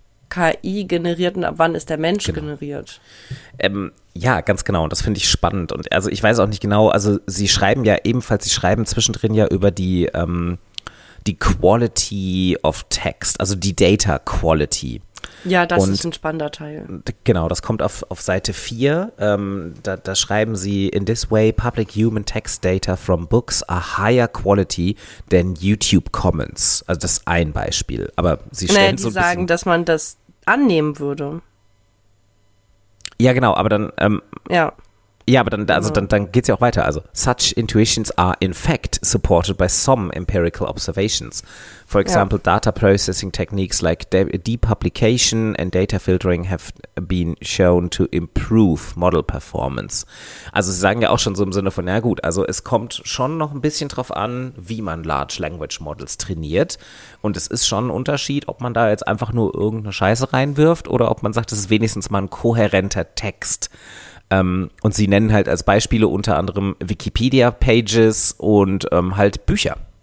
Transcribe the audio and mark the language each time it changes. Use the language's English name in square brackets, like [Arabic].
[German] KI-generierten, ab wann ist der Mensch generiert? Ja, ganz genau. Und das finde ich spannend. Und also ich weiß auch nicht genau, also sie schreiben ja ebenfalls, sie schreiben zwischendrin ja über die, die Quality of Text, also die Data Quality. Ja, das und ist ein spannender Teil. Genau, das kommt auf Seite 4. Da schreiben sie, [English] in this way, public human text data from books are higher quality than YouTube Comments. [German] Also das ist ein Beispiel. Aber sie stellen die so ein sagen, dass man das annehmen würde. Ja, genau, aber dann ja. Ja, aber dann, also dann geht's ja auch weiter. [English] Also, such intuitions are in fact supported by some empirical observations. For example, data processing techniques like depublication and data filtering have been shown to improve model performance. [German] Also, sie sagen ja auch schon so im Sinne von, ja gut, also es kommt schon noch ein bisschen drauf an, wie man Large Language Models trainiert. Und es ist schon ein Unterschied, ob man da jetzt einfach nur irgendeine Scheiße reinwirft oder ob man sagt, es ist wenigstens mal ein kohärenter Text. Und sie nennen halt als Beispiele unter anderem Wikipedia-Pages und halt Bücher.